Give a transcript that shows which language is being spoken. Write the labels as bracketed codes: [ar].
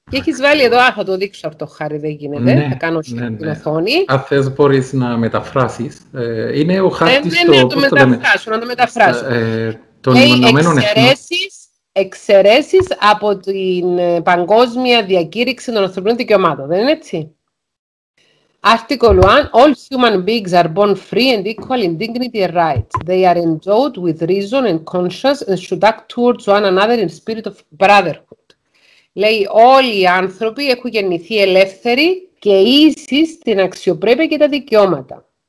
[el] Και έχεις βάλει εδώ, θα το δείξω αυτό, χάρη δεν γίνεται, ναι, θα κάνω στην οθόνη. Αν θες μπορείς να μεταφράσεις, είναι ο χάρτης το... να το μεταφράσω. Των Ηνωμένων Εθνών. Εξαιρέσεις από την παγκόσμια διακήρυξη των ανθρωπίνων δικαιωμάτων, δεν είναι έτσι? [en] Article 1. All human beings are born free and equal in dignity and rights. They are endowed with reason and conscience and should act towards one another in spirit of brotherhood. [el] Λέει, όλοι οι άνθρωποι έχουν γεννηθεί ελεύθεροι και ίσεις στην αξιοπρέπεια και τα δικαιώματα.